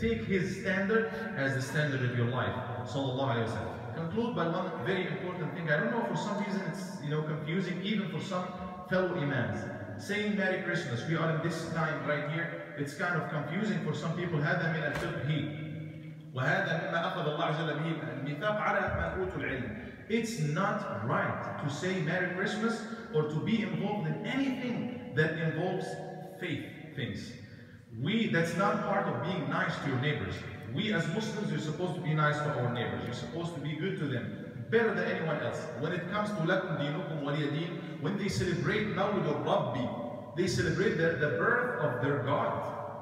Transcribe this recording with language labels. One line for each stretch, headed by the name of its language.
English: Take his standard as the standard of your life, salallahu alayhi wa sallam. Conclude by one very important thing. I don't know, for some reason it's confusing, even for some fellow imams. Saying Merry Christmas, we are in this time right here, it's kind of confusing for some people.
Arabic: هذا من الفقه. وهذا مما أخذ الله جل به الميثاق على من أوتوا العلم.
English: It's not right to say Merry Christmas or to be involved in anything that involves faith things. That's not part of being nice to your neighbors. We as Muslims, you're supposed to be nice to our neighbors. You're supposed to be good to them, better than anyone else. When it comes to
Arabic: لكم دينكم ولي دين,
English: when they celebrate
Arabic: مولد ربي,
English: they celebrate the birth of their God.